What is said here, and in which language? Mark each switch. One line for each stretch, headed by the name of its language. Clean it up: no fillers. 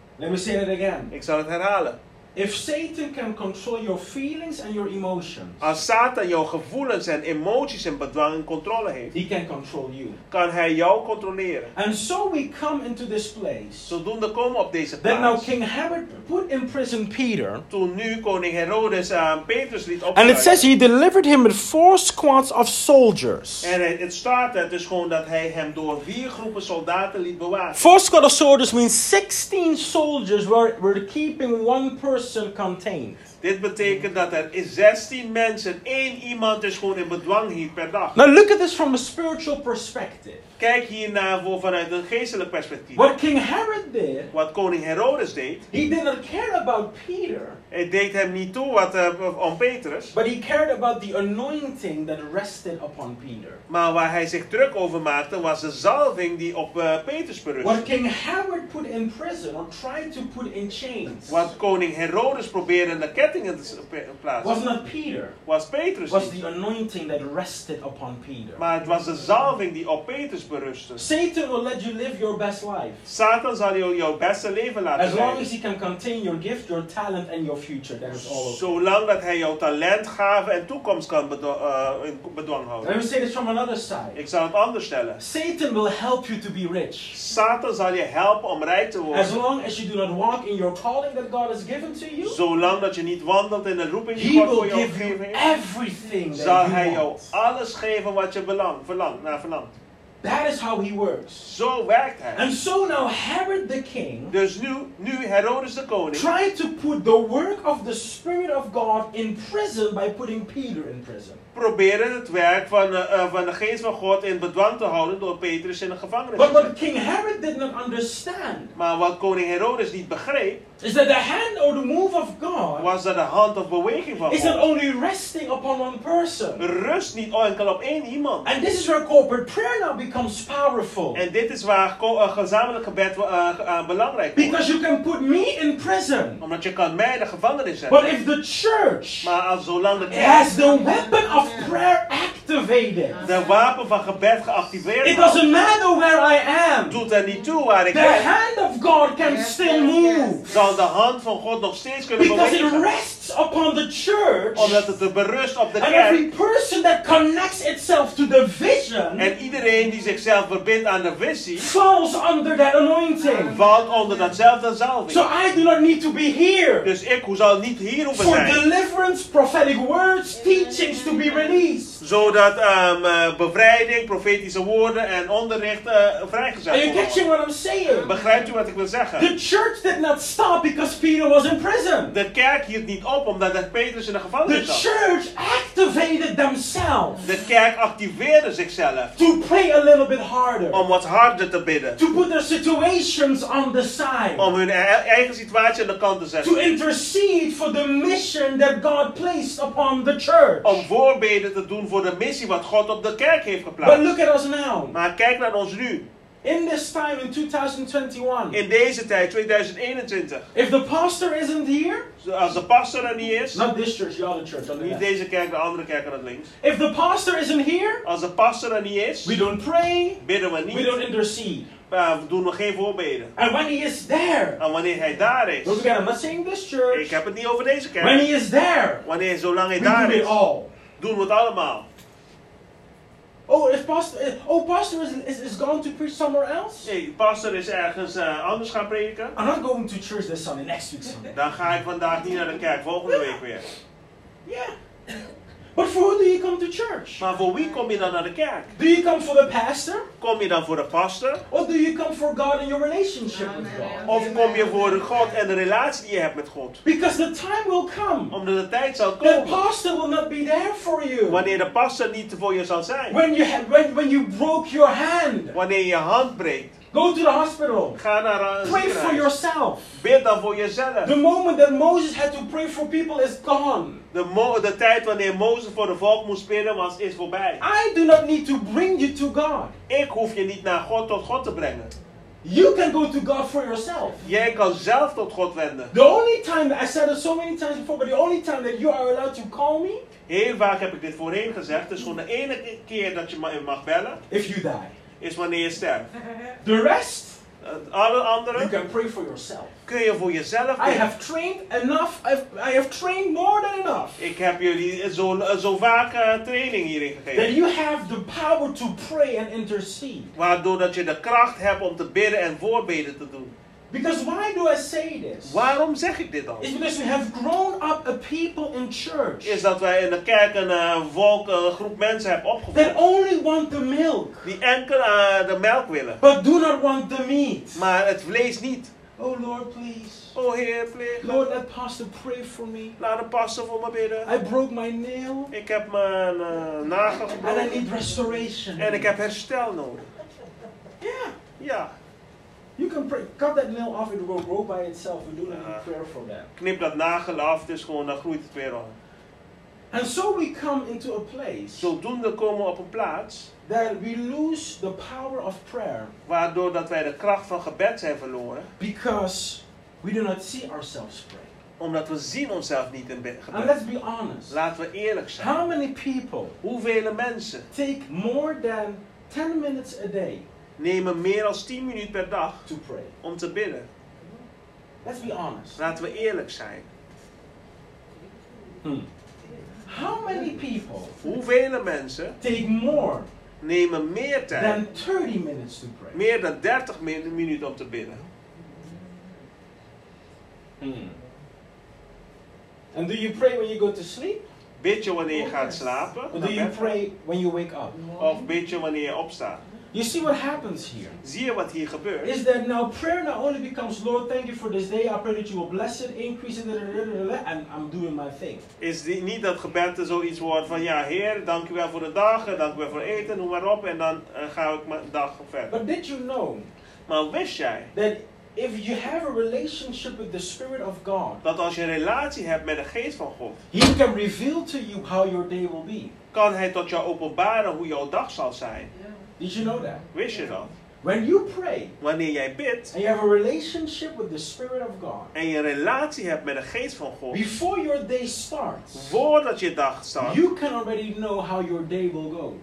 English: Let me say it again.
Dutch: Ik zal het herhalen.
English: If Satan can control your feelings and your emotions,
Dutch: als Satan jouw gevoelens en emoties en bedwang in controle heeft,
English: he can control you.
Dutch: Kan hij jou controleren?
English: And so we come into this place.
Dutch: Zodoende komen we op deze plaats.
English: Then now King Herod put in prison Peter.
Dutch: Toen nu koning Herodes Petrus liet opsluiten.
English: And it says he delivered him with four squads of soldiers.
Dutch: En het staat er dus gewoon dat hij hem door vier groepen soldaten liet bewaken.
English: Four squads of soldiers means 16 soldiers were keeping one person.
Dutch: Dit betekent dat er 16 mensen, één iemand is gewoon in bedwang hier per dag.
English: Now look at this from a spiritual perspective.
Dutch: Kijk hiernaar voor vanuit een geestelijk perspectief.
English: What King Herod did,
Dutch: wat koning Herodes deed,
English: he didn't care about Peter.
Dutch: Hij deed hem niet toe wat om Petrus.
English: But he cared about the anointing that rested upon Peter.
Dutch: Maar waar hij zich druk over maakte was de zalving die op Petrus berustte.
English: What King Herod put in prison or tried to put in chains.
Dutch: Wat koning Herodes probeerde in de kettingen te plaatsen.
English: Was not Peter.
Dutch: Was Petrus.
English: Was the anointing that rested upon Peter.
Dutch: Maar het was de zalving die op Petrus.
English: Satan will let you live your best life.
Dutch: Satan zal je jouw beste leven laten leiden.
English: As long as he can contain your gift, your talent and your future, that is all.
Dutch: Zolang dat hij jouw talent, gaven en toekomst kan bedwang houden.
English: Let me say this from another side.
Dutch: Ik zal het anders stellen.
English: Satan will help you to be rich.
Dutch: Satan zal je helpen om rijk te worden.
English: As long as you do not walk in your calling that God has given to you.
Dutch: Zolang dat je niet wandelt in de roeping die God voor jou gegeven heeft.
English: He will give you everything that you want.
Dutch: Zal hij jou alles geven wat je verlangt.
English: That is how he works.
Dutch: Zo werkt hij.
English: And so now Herod the king.
Dutch: Dus nu Herodes de koning.
English: Tried to put the work of the Spirit of God in prison by putting Peter in prison.
Dutch: Probeerde het werk van de geest van God in bedwang te houden door Petrus in de gevangenis.
English: But what King Herod did not understand.
Dutch: Maar wat koning Herodes niet begreep.
English: Is that the hand or the move of God.
Dutch: Was dat de hand of beweging van God.
English: Is not only resting upon one person.
Dutch: Rust niet enkel op één iemand.
English: And this is where corporate prayer now becomes powerful.
Dutch: En dit is waar gezamenlijk gebed belangrijk wordt.
English: Because you can put me in prison.
Dutch: Omdat je kan mij in de gevangenis zetten.
English: But if the church.
Dutch: Maar als zolang de kerk.
English: Has the weapon. Of prayer activated.
Dutch: De wapen van gebed geactiveerd.
English: It doesn't matter where I am.
Dutch: Doet er niet toe waar ik ben.
English: The hand of God can still move.
Dutch: Zal de hand van God nog steeds kunnen
English: because
Dutch: bewegen.
English: Because it rests upon the church.
Dutch: Omdat het berust op de
English: and
Dutch: kerk.
English: And every person that connects itself to the vision.
Dutch: En iedereen die zichzelf verbindt aan de visie.
English: Falls under that anointing.
Dutch: Valt onder datzelfde zalving.
English: So I do not need to be here.
Dutch: Dus ik zal niet hier hoeven
English: for
Dutch: zijn.
English: Deliverance, prophetic words, teachings to be released.
Dutch: Zodat bevrijding, profetische woorden en onderricht vrijgezet worden.
English: And you get what I'm saying?
Dutch: Begrijpt u wat ik wil zeggen?
English: The church did not stop because Peter was in prison.
Dutch: De kerk hield niet op omdat Petrus in de gevangenis
English: the
Dutch: zat.
English: The church activated themselves.
Dutch: De kerk activeerde zichzelf.
English: To pray a little bit harder.
Dutch: Om wat harder te bidden.
English: To put their situations on the side.
Dutch: Om hun eigen situatie aan de kant te zetten.
English: To intercede for the mission that God placed upon the church.
Dutch: Om voorbeden te doen voor de missie wat God op de kerk heeft geplaatst.
English: But look at us now.
Dutch: Maar kijk naar ons nu.
English: In this time in 2021.
Dutch: In deze tijd 2021.
English: If the pastor isn't here.
Dutch: Als de pastor er niet is.
English: Not this church, the other church.
Dutch: Niet deze kerk, de andere kerk aan het links.
English: If the pastor isn't here.
Dutch: Als de pastor er niet is.
English: We don't pray.
Dutch: Bidden we niet.
English: We don't intercede.
Dutch: Doen we geen voorbeden.
English: And when he is there.
Dutch: En wanneer hij daar is.
English: Don't forget, I'm not saying this church.
Dutch: Ik heb het niet over deze kerk.
English: When he is there.
Dutch: Wanneer zolang hij daar is.
English: All.
Dutch: Doen we het allemaal.
English: Pastor is gone to preach somewhere else?
Dutch: Hey, pastor is ergens anders gaan preken.
English: I'm not going to church this Sunday, next week Sunday.
Dutch: Dan ga ik vandaag niet naar de kerk, volgende week weer.
English: Yeah. But for who do you come to church?
Dutch: Maar voor wie kom je dan naar de kerk?
English: Do you come for the pastor?
Dutch: Kom je dan voor de pastor?
English: Or do you come for God and your relationship with God?
Dutch: Of kom je voor God en de relatie die je hebt met God?
English: Because the time will come.
Dutch: Omdat de tijd zal komen.
English: The pastor will not be there for you.
Dutch: Wanneer de pastor niet voor je zal zijn.
English: When you broke your hand.
Dutch: Wanneer je hand breekt.
English: Go to the hospital.
Dutch: Ga naar een ziekenhuis.
English: Pray for yourself.
Dutch: Bid dan voor jezelf.
English: The moment that Moses had to pray for people is gone.
Dutch: De tijd wanneer Mozes voor de volk moest bidden was, is voorbij.
English: I do not need to bring you to God.
Dutch: Ik hoef je niet naar God tot God te brengen.
English: You can go to God for yourself.
Dutch: Jij kan zelf tot God wenden.
English: The only time, I said it so many times before, but the only time that you are allowed to call me.
Dutch: Heel vaak heb ik dit voorheen gezegd. Het is gewoon de enige keer dat je me mag bellen.
English: If you die.
Dutch: Is wanneer je sterft.
English: The rest.
Dutch: Alle anderen.
English: You can pray for yourself.
Dutch: Kun je voor jezelf bidden.
English: I have trained enough. I have trained more than enough.
Dutch: Ik heb jullie zo vaak training hierin gegeven.
English: That you have the power to pray and intercede.
Dutch: Waardoor dat je de kracht hebt om te bidden en voorbeden te doen.
English: Because why do I say this?
Dutch: Waarom zeg ik dit dan?
English: It's because we have grown up a people in church.
Dutch: Is dat wij in de kerk een groep mensen hebben opgevoed.
English: That only want the milk.
Dutch: Die enkel de melk willen.
English: But do not want the meat.
Dutch: Maar het vlees niet.
English: Oh Lord, please.
Dutch: Oh Heer, pleeg.
English: Lord, let pastor pray for me.
Dutch: Laat de pastor voor me bidden.
English: I broke my nail.
Dutch: Ik heb mijn nagel gebroken.
English: And I need restoration.
Dutch: En ik heb herstel nodig.
English: Yeah. Yeah. You can pray. Cut that nail off, it will grow by itself. We do not need prayer for that.
Dutch: Knip dat nagel af, dus gewoon, dan groeit het weer om.
English: And so we come into a place.
Dutch: Zodoende komen we op een plaats.
English: That we lose the power of prayer.
Dutch: Waardoor dat wij de kracht van gebed zijn verloren.
English: Because we do not see ourselves pray.
Dutch: Omdat we zien onszelf niet in gebed.
English: And let's be honest.
Dutch: Laten we eerlijk zijn.
English: How many people.
Dutch: Hoeveel mensen.
English: Take more than 10 minutes a day.
Dutch: Nemen meer dan 10 minuten per dag
English: to pray.
Dutch: Om te bidden.
English: Let's be honest.
Dutch: Laten we eerlijk zijn.
English: How many people?
Dutch: Hoeveel mensen?
English: Take more.
Dutch: Nemen meer tijd.
English: Than 30 minutes to pray.
Dutch: Meer dan 30 minuten om te bidden.
English: And do you pray when you go to sleep?
Dutch: Bid je wanneer je gaat slapen?
English: Or do you pray when you wake up?
Dutch: Of bid je wanneer je opstaat?
English: You see what happens here.
Dutch: Zie je wat hier gebeurt?
English: Is that now prayer not only becomes Lord, thank you for this day. I pray that you will bless it, increase it, and I'm doing my thing.
Dutch: Is die niet dat gebed er zoiets wordt van ja, Heer, dank u wel voor de dag, dank u wel voor eten, noem maar op, en dan ga ik mijn dag verder.
English: But did you know?
Dutch: Maar wist jij?
English: That if you have a relationship with the Spirit of God.
Dutch: Dat als je een relatie hebt met de Geest van God.
English: He can reveal to you how your day will be.
Dutch: Kan hij tot jou openbaren hoe jouw dag zal zijn?
English: Did you know that?
Dutch: Wist je dat?
English: When you pray.
Dutch: Wanneer jij bidt.
English: And you have a relationship with the Spirit of God.
Dutch: En je een relatie hebt met de Geest van God.
English: Before your day starts.
Dutch: Voordat je dag start.
English: You can already know how your day will go.